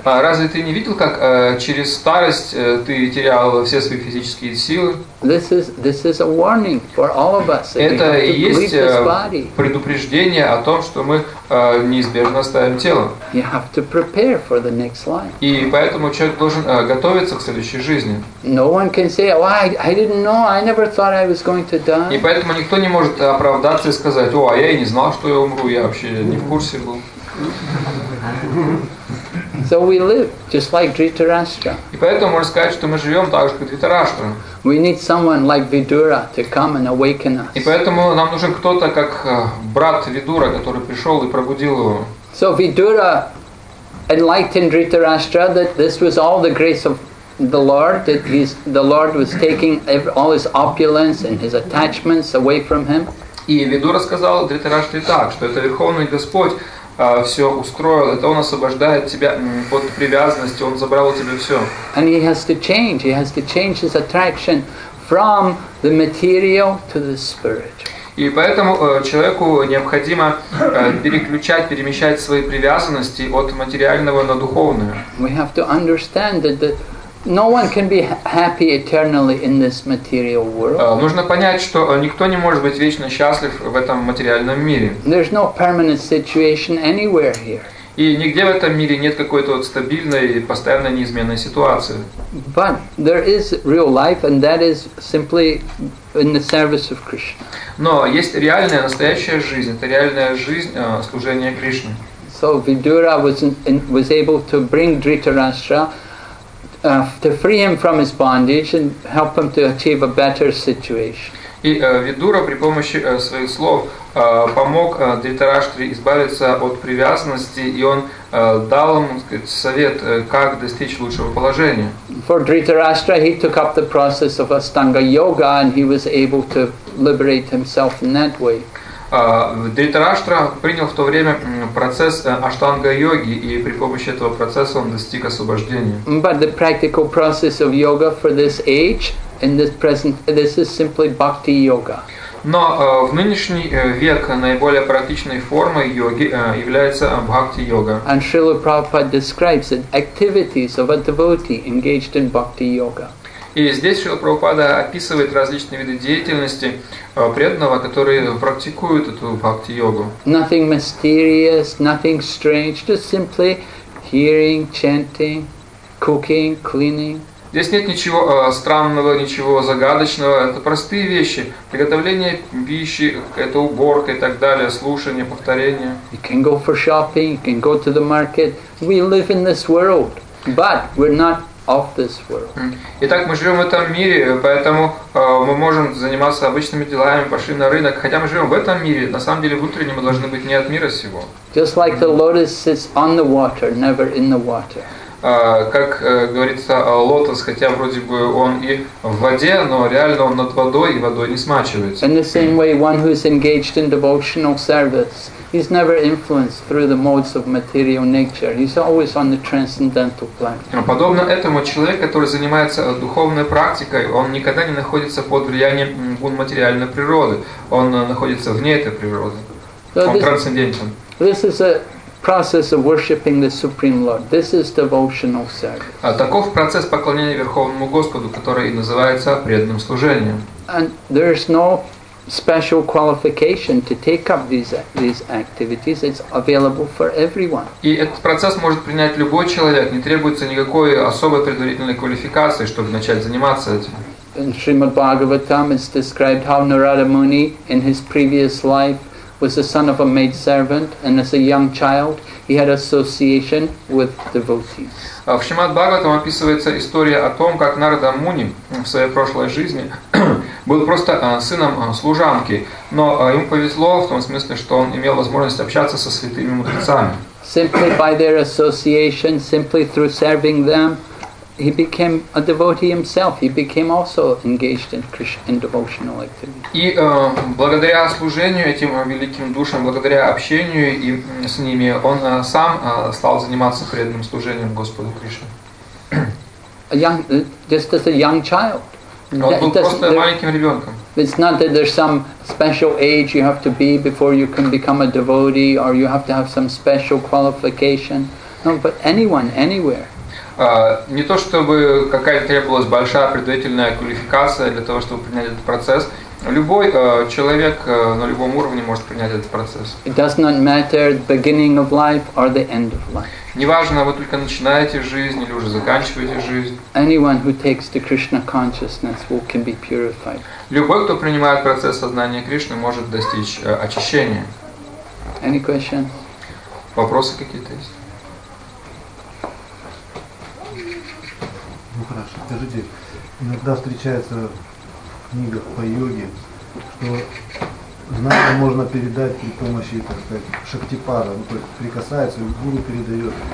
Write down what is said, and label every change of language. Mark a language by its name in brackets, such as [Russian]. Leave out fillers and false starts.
[Russian] Разве ты не видел, как через старость ты терял все свои физические силы? [English] This is a warning for all of us. [Russian] Это и есть предупреждение о том, что мы неизбежно оставим тело. [English] You have to prepare for the next life. [Russian] И поэтому человек должен готовиться к следующей жизни. [English] No one can say, oh, I didn't know, I never thought I was going to die. [Russian] И поэтому никто не может оправдаться и сказать, о, а я и не знал, что я умру, я вообще не в курсе был. [English] So we live just like Dhritarashtra. [Russian] И поэтому можно сказать, что мы живем так же, как Дхритарашта. [English] We need someone like Vidura to come and awaken us. [Russian] И поэтому нам нужен кто-то как брат Видура, который пришел и пробудил его. [English] So Vidura enlightened Dhritarashtra that this was all the grace of the Lord, that the Lord was taking all his opulence and his attachments away from him. [Russian] И Видура сказал Дхритарашти так, что это Верховный Господь все устроил, это он освобождает тебя от привязанности, он забрал у тебя все. [English] And he has to change his attraction from the material to the spiritual. [Russian] И поэтому человеку необходимо переключать, перемещать свои привязанности от материального на духовное. [English] We have to understand that no one can be happy eternally in this material world. [Russian] Нужно понять, что никто не может быть вечно счастлив в этом материальном мире. [English] There's no permanent situation anywhere here. [Russian] И нигде в этом мире нет какой-то вот стабильной и постоянно неизменной ситуации. [English] But there is real life, and that is simply in the service of Krishna. [Russian] Но есть реальная настоящая жизнь. Это реальная жизнь служения Кришне. [English] So Vidura was able to bring Dhritarashtra to free him from his bondage and help him to achieve a better situation. [Russian] И Видура при помощи своих слов помог Дхритараштре избавиться от привязанности, и он дал ему, так сказать, совет, как достичь лучшего положения. [English] For Dhritarashtra, he took up the process of Astanga Yoga, and he was able to liberate himself in that way. [Russian] Дхритараштра принял в то время процесс аштанга-йоги, и при помощи этого процесса он достиг освобождения. [English] But the practical process of yoga for this age, in this present, this is simply bhakti yoga. [Russian] Но в нынешний век наиболее практичной формой йоги является бхакти-йога. [English] And Srila Prabhupada describes the activities of a devotee engaged in bhakti-йога. [Russian] И здесь Шрила Прабхупада описывает различные виды деятельности преданного, которые практикуют эту бхакти-йогу. [English] Nothing mysterious, nothing strange, just simply hearing, chanting, cooking, cleaning. [Russian] Здесь нет ничего странного, ничего загадочного, это простые вещи. Приготовление пищи, это уборка и так далее, слушание, повторение. [English] You can go for shopping, you can go to the market. We live in this world, but we're not of this world. [Russian] Итак, мы живем в этом мире, поэтому мы можем заниматься обычными делами, пошли на рынок. Хотя мы живем в этом мире, на самом деле внутренне мы должны быть не от мира сего. [English] Just like the lotus sits on the water, never in the water. [Russian] Как говорится, лотос, хотя вроде бы он и в воде, но реально он над водой, и водой не смачивается. [English] In the same way, one who is engaged in devotional service, he's never influenced through the modes of material nature. He's always on the transcendental plane. [Russian] Подобно этому, человек, который занимается духовной практикой, он никогда не находится под влиянием гун материальной природы. Он находится вне этой природы. So он трансцендентен. [English] This is a process of worshipping the Supreme Lord. This is devotional service. [Russian] Таков процесс поклонения Верховному Господу, который и называется преданным служением. [English] And there is no special qualification to take up these activities. It's available for everyone. [Russian] И этот процесс может принять любой человек. Не требуется никакой особой предварительной квалификации, чтобы начать заниматься этим. [English] In Srimad Bhagavatam, it's described how Narada Muni, in his previous life, was the son of a maid servant, and as a young child, he had association with devotees. [Russian] В Шримад Бхагаватам описывается история о том, как Нарада Муни в своей прошлой жизни был просто сыном служанки, но ему повезло в том смысле, что он имел возможность общаться со святыми мудрецами. [English] Simply by their association, simply through serving them, he became a devotee himself. He became also engaged in Krishna, in devotional activity. [Russian] И благодаря служению этим великим душам, благодаря общению и с ними, он сам стал заниматься преданным служением Господу Кришне. [English] Just as a young child. It's not that there's some special age you have to be before you can become a devotee, or you have to have some special qualification. No, but anyone, anywhere. [Russian] Не то чтобы какая-то требовалась большая предварительная квалификация для того, чтобы принять этот процесс. Любой человек на любом уровне может принять этот процесс. [English] It does not matter the beginning of life or the end of life. [Russian] Неважно, вы только начинаете жизнь или уже заканчиваете жизнь. [English] Anyone who takes the Krishna consciousness will can be purified. [Russian] Любой, кто принимает процесс сознания Кришны, может достичь очищения. [English] Any question? [Russian] Вопросы какие-то есть? Ну хорошо, скажите, иногда встречается в книгах по йоге, что знание можно передать при помощи, так сказать, шактипада, ну, то есть прикасается, гуру передает.